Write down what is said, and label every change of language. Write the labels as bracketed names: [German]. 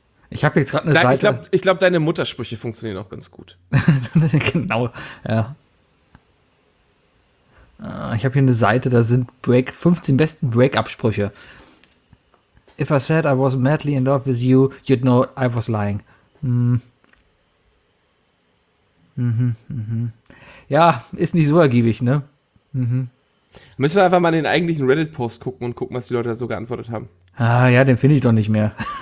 [German] Ich habe jetzt gerade eine Seite. Ich glaube, deine Muttersprüche funktionieren auch ganz gut. Genau, ja. Ich habe hier eine Seite, da sind 15 besten Break-Up-Sprüche. [English] If I said I was madly in love with you, you'd know I was lying. [German] Ja, ist nicht so ergiebig, ne? Müssen wir einfach mal in den eigentlichen Reddit-Post gucken und gucken, was die Leute da so geantwortet haben. Ah ja, den finde ich doch nicht mehr.